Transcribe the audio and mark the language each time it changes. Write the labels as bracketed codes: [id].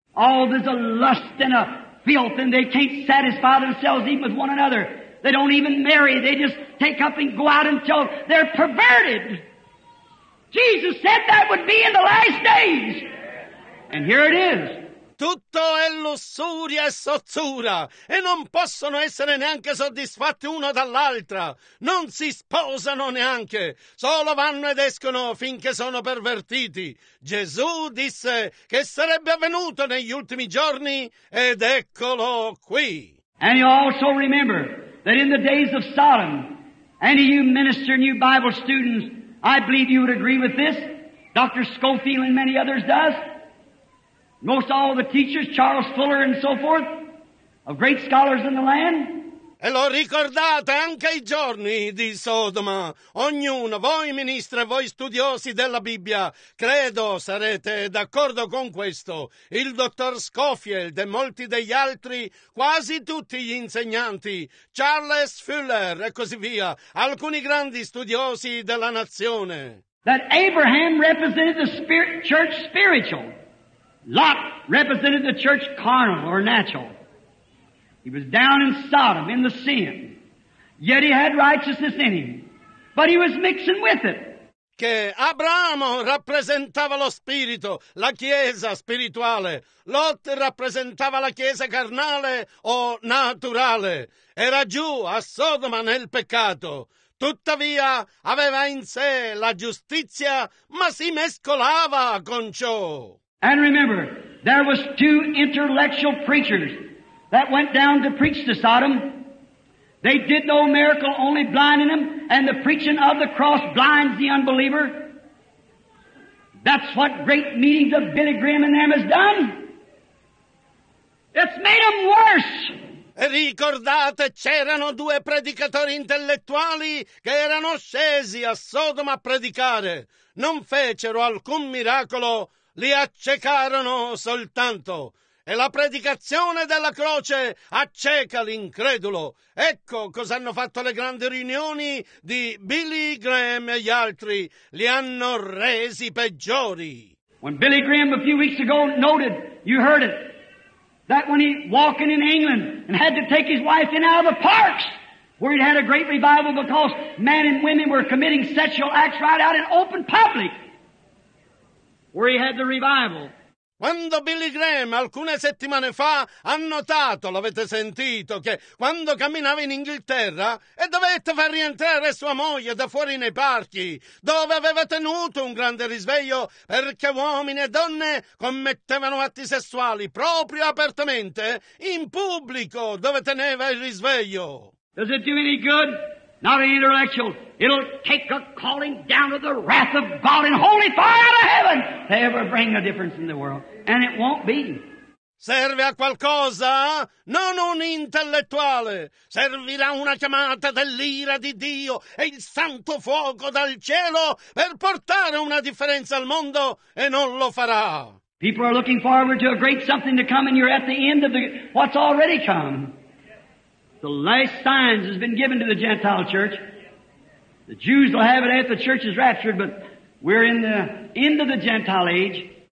[en] Oh, there's a lust and a filth, and they can't satisfy themselves even with one another. They don't even marry, they just take up and go out until they're perverted. Jesus said that would be in the last days. And here it is. [it] Tutto è lussuria e sozzura, e non possono essere neanche soddisfatti uno dall'altra. Non si sposano neanche, solo vanno ed escono finché sono pervertiti. Gesù disse che sarebbe avvenuto negli ultimi giorni, ed eccolo qui. [en] And you also remember that in the days of Sodom, any of you minister, new Bible students, I believe you would agree with this, Dr. Scofield and many others does. Most all the teachers, Charles Fuller and so forth, of great scholars in the land. [it] E lo ricordate anche i giorni di Sodoma. Ognuno, voi ministri e voi studiosi della Bibbia, credo sarete d'accordo con questo. Il dottor Scofield e molti degli altri, quasi tutti gli insegnanti, Charles Fuller e così via, alcuni grandi studiosi della nazione. [en] That Abraham represented the spirit, church spiritual. Lot represented the church carnal or natural. He was down in Sodom in the sin. Yet he had righteousness in him. But he was mixing with it. [it] Che Abramo rappresentava lo spirito, la chiesa spirituale. Lot rappresentava la chiesa carnale o naturale. Era giù a Sodoma nel peccato. Tuttavia aveva in sé la giustizia, ma si mescolava con ciò. [en] And remember, there was two intellectual preachers that went down to preach to Sodom. They did no miracle, only blinding them, and the preaching of the cross blinds the unbeliever. That's what great meetings of Billy Graham and them has done. It's made them worse. [it] Ricordate, c'erano due predicatori intellettuali che erano scesi a Sodoma a predicare. Non fecero alcun miracolo, li accecarono soltanto. E la predicazione della croce acceca l'incredulo. Ecco cosa hanno fatto le grandi riunioni di Billy Graham e gli altri. Li hanno resi peggiori. [en] When Billy Graham a few weeks ago noted, you heard it, that when he walking in England and had to take his wife in out of the parks where he'd had a great revival because men and women were committing sexual acts right out in open public where he had the revival. [it] Quando Billy Graham alcune settimane fa ha notato, l'avete sentito, che quando camminava in Inghilterra e dovette far rientrare sua moglie da fuori nei parchi, dove aveva tenuto un grande risveglio perché uomini e donne commettevano atti sessuali proprio apertamente in pubblico dove teneva il risveglio. [en] Does it do any good? Not an intellectual. It'll take a calling down of the wrath of God and holy fire out of heaven to ever bring a difference in the world. And it won't be. [it] Serve a qualcosa? Non un intellettuale. Servirà una chiamata dell'ira di Dio e il santo fuoco dal cielo per portare una differenza al mondo e non lo farà. [en] People are looking forward to a great something to come and you're at the end of the, what's already come. The last signs has been given to the Gentile church. The Jews will have it after the church is raptured, but we're in the end of the Gentile age.